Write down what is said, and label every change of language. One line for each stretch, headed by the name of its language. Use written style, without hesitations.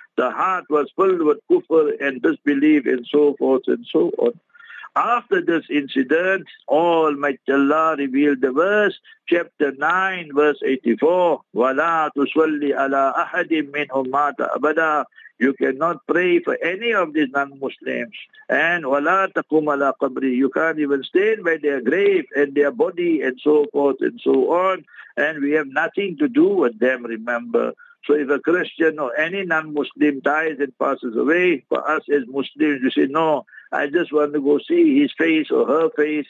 English: The heart was filled with kufr and disbelief and so forth and so on. After this incident, Almighty Allah revealed the verse, chapter 9, verse 84,
Arabic: وَلَا تُصَلِّ عَلَىٰ أَحَدٍ مِّنْهُمْ مَاتَ أَبَدًا.
English: You cannot pray for any of these non-Muslims. And
Arabic: وَلَا تَقُمْ عَلَىٰ قَبْرِ.
English: You can't even stand by their grave and their body and so forth and so on. And we have nothing to do with them, remember. So if a Christian or any non-Muslim dies and passes away, for us as Muslims, you say, no, I just want to go see his face or her face.